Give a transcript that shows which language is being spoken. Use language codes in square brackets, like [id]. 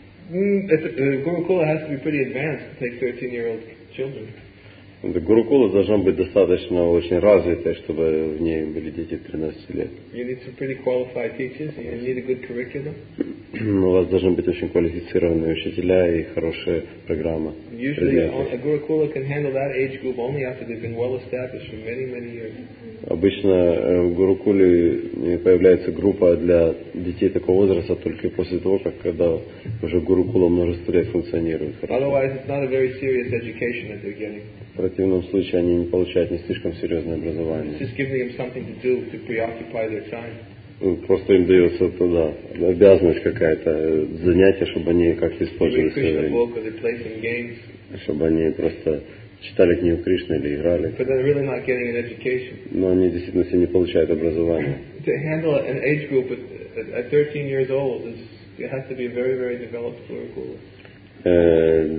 [en] Guru Kula has to be pretty advanced to take 13-year-old children. [ru] The Guru Kula должна быть достаточно очень развитой, чтобы в ней были дети 13 лет. [en] You need some pretty qualified teachers. You need a good curriculum. [ru] У вас должны быть очень квалифицированные учителя и хорошая программа. [en] Usually, a Guru Kula can handle that age group only after they've been well established for many, many years. [ru] Обычно в Guru Kula появляется группа для детей такого возраста только после того, как когда уже Guru Kula множество лет функционирует. [en] Otherwise, it's not a very serious education that they're getting. [ru] В противном случае они не получают не слишком серьезное образование. [en] It's just giving them something to do to preoccupy their time. [ru] Просто им дается туда обязанность какая-то, занятие, чтобы они как-то использовали свое время. Чтобы они просто читали книгу Кришны или играли. [en] But they're really not getting an education. [ru] Но они действительно все не получают образование. [en] To handle an age group at 13 years old, it has to be a very, very developed Guru Kula.